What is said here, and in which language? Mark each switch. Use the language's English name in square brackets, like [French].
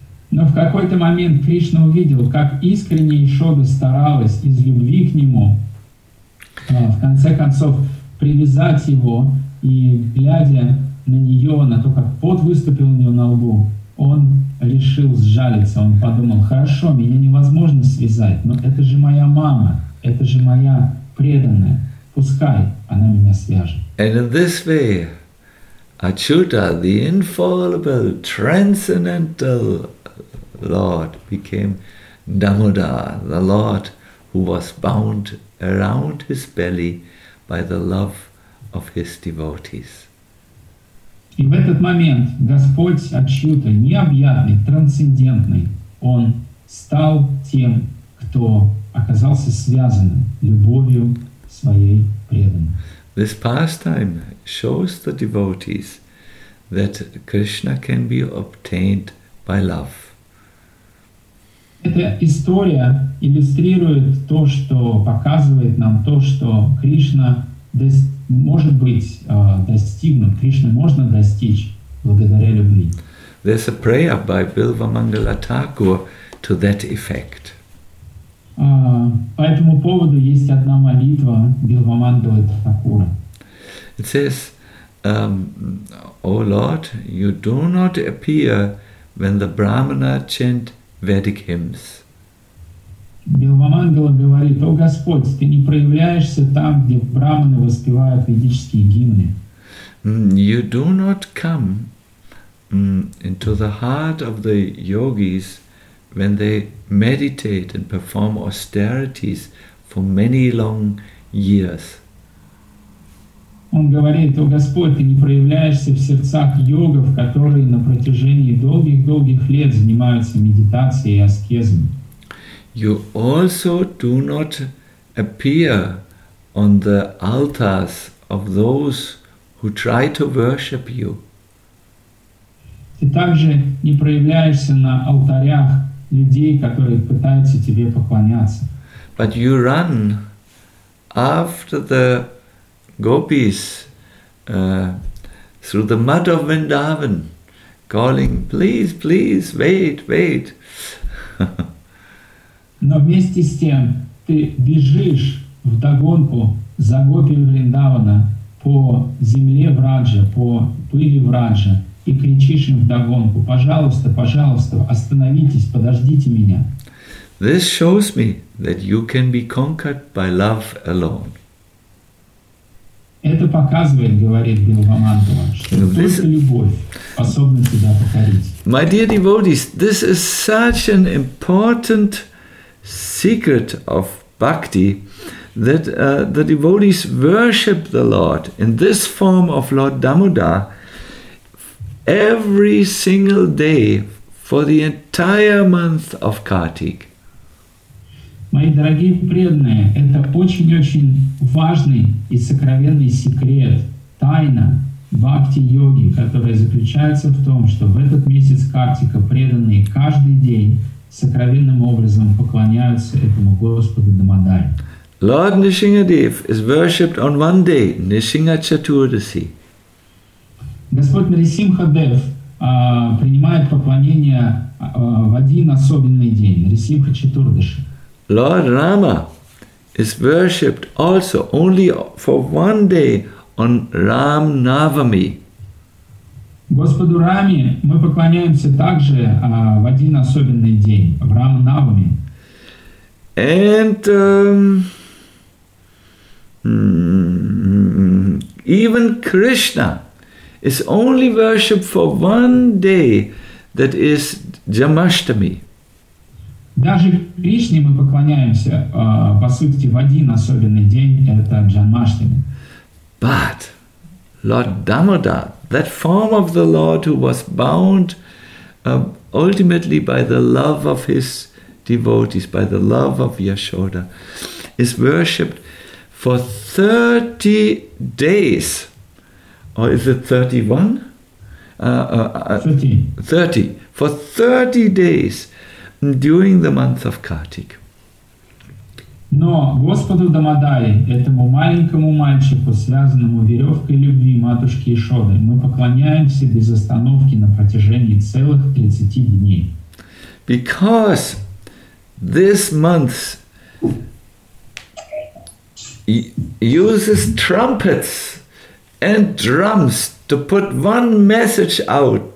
[Russian] Но в какой-то момент Кришна увидел, как искренне Яшода старалась из любви к нему, в конце концов, привязать его, и глядя на нее, на то, как пот выступил у нее на лбу, он решил сжалиться. Он подумал, хорошо, меня невозможно связать, но это же моя мама, это же моя преданная. Пускай она меня свяжет. [English] And in this way, Achyuta, the infallible, transcendental Lord, became Damodar, the Lord who was bound around his belly by the love of his devotees. [Russian] И в этот момент Господь Ачьюта, необъятный, трансцендентный, он стал тем, кто оказался связанным любовью своей преданной. [English] This pastime shows the devotees that Krishna can be obtained by love. [Russian] Эта история иллюстрирует то, что показывает нам то, что Кришна может быть достигнут, Кришна можно достичь благодаря любви. [English] There's a prayer by Bilva Mangala Thakur to that effect. [Russian] По этому поводу есть одна молитва Билва Мандалы Такура. [English] It says, O Lord, you do not appear when the Brahmana chant Vedic hymns. [Russian] Билва Мандала говорит, О Господь, ты не проявляешься там, где брахманы воспевают ведические гимны. [English] You do not come into the heart of the yogis when they meditate and perform austerities for many long years. [Russian] Он говорит, О Господь, ты не проявляешься в сердцах йогов, которые на протяжении долгих-долгих лет занимаются медитацией и аскезами. [English] You also do not appear on the altars of those who try to worship you. [Russian] Ты также не проявляешься на алтарях людей, которые пытаются тебе поклоняться. [English] But you run after the gopis through the mud of Vrindavan, calling, please, please, wait, wait. [Russian] Но вместе с тем ты бежишь вдогонку за гопи Вриндавана по земле Враджа, по пыли Враджа, и кричишь им вдогонку, пожалуйста, пожалуйста, остановитесь, подождите меня. [English] This shows me that you can be conquered by love alone. [Russian] Это показывает, говорит Билва Мандала, что this только любовь способна тебя покорить. [English] My dear devotees, this is such an important secret of bhakti that the devotees worship the Lord in this form of Lord Damodar every single day for the entire month of Kartik. [Russian] Мои дорогие преданные, это очень-очень важный и сокровенный секрет, тайна бхакти-йоги, которая заключается в том, что в этот месяц Картика преданные каждый день сокровенным образом поклоняются этому Господу Дамодаре. [English] Lord Nrisimhadev is worshipped on one day, Nrisimha Chaturdasi. [Russian] Господь Нрисимхадев принимает поклонение в один особенный день, Нрисимха Чатурдаши. [English] Lord Rama is worshipped also only for one day on Ram Navami. [Russian] Господу Раме мы поклоняемся также в один особенный день, в Рам-Навами. [English] And even Krishna is only worshipped for one day, that is Jamashtami. [Russian] Даже Кришне мы поклоняемся, по сути, в один особенный день, это Джанмаштами. [English] But Lord Damodar, that form of the Lord who was bound ultimately by the love of his devotees, by the love of Yashoda, is worshipped for 30 days. Or is it 31? 30. For 30 days during the month of Kartik. [Russian] Но Господу Дамодаре, этому маленькому мальчику, связанному веревкой любви матушки Ишоды, мы поклоняемся без остановки на протяжении целых 30 дней. [English] Because this month uses trumpets and drums to put one message out